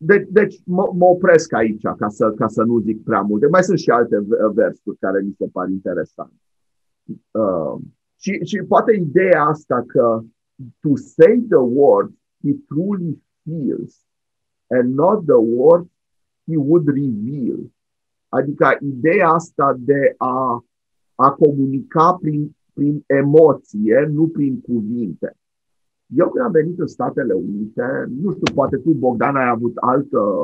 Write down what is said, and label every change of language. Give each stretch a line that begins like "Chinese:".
Romanian: Deci mă opresc aici ca să nu zic prea multe. Mai sunt și alte versuri care mi se par interesante. Și poate ideea asta că
English: to say the word he truly feels and not the word he would reveal.
Romanian: Adică ideea asta de a comunica prin emoție, nu prin cuvinte. Eu când am venit în Statele Unite, nu știu, poate tu, Bogdan, ai avut altă.